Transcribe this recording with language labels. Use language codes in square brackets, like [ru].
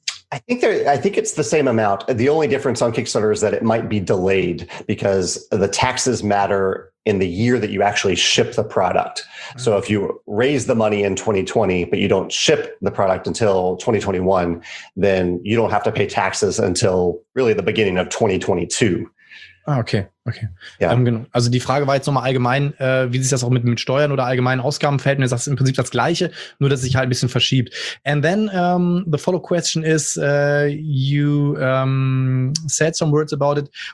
[en] I think it's the same amount. The only difference on Kickstarter is that it might be delayed because the taxes matter in the year that you actually ship the product. Right. So if you raise the money in 2020, but you don't ship the product until 2021, then you don't have to pay taxes until really the beginning of 2022. [de] Ah, okay. Ja. Also die Frage war jetzt nochmal allgemein, wie sich das auch mit Steuern oder allgemeinen Ausgaben verhält. Und du sagst im Prinzip das Gleiche, nur dass es sich halt ein bisschen verschiebt. [en] And then the follow question is, you said some words about it.